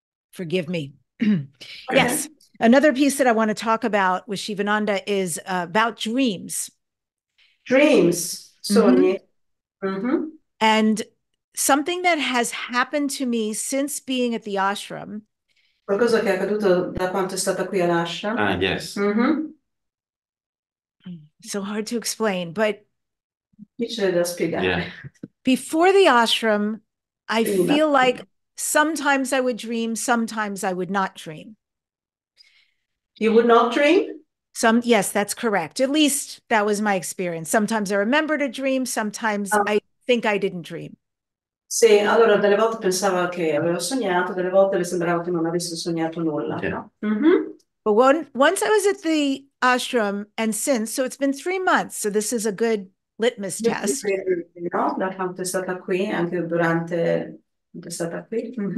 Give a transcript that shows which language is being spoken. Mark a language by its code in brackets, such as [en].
[en] Forgive me. Yes, Okay. another piece that I want to talk about with Shivananda is about dreams. Dreams, sogni. And something that has happened to me since being at the ashram. [it] Qualcosa che è accaduto da quanto è stata qui all'ashram. [en] Yes. So hard to explain, but. [it] Difficile da spiegare. [en] Yeah. Before the ashram, I feel like sometimes I would dream, sometimes I would not dream. You would not dream? Some, yes, that's correct. At least that was my experience. Sometimes I remembered a dream, sometimes I think I didn't dream. [it] Sì, allora delle volte pensavo che avevo sognato, delle volte le sembrava che non avesse sognato nulla, [en] Yeah. [it] No? [en] But once I was at the ashram and since, so it's been 3 months, so this is a good litmus test. [it] No, da quanto è stata qui, anche durante è stata qui.